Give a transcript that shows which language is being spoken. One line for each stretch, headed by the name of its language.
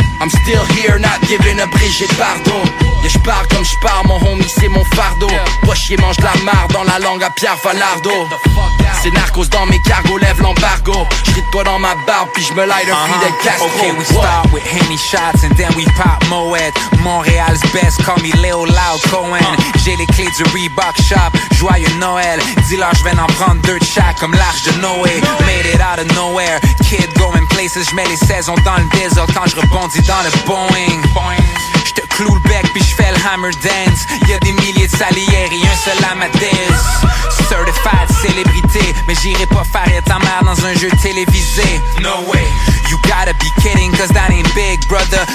English: I'm still here, not giving a Brigitte Bardot.
French: Yeah, j'pars comme j'pars, mon homie c'est mon fardeau. Pas chier, mange de la marre dans la langue à Pierre Falardo. C'est narcos dans mes cargos, lève l'embargo. J'ride toi dans ma barbe pis j'me light un Fidel Castro.
English: Okay, we start with Henny shots and then we pop Moet. Montréal's best, call me Leo Lau Cohen.
French: J'ai les clés du Reebok shop, joyeux Noël. Dis-leur j'vais en prendre deux de chaque comme l'arche de Noé.
English: Made it out of nowhere, kid going places.
French: J'mets les saisons dans le désert quand j'rebondis dans le Boeing. J'te cloue le bec pis j'fais le hammer dance. Y'a des milliers de salières et un seul Amadeus. Certified célébrité, mais j'irai pas faire être ta mère dans un jeu télévisé.
English: No way, you gotta be kidding, cause that ain't big brother.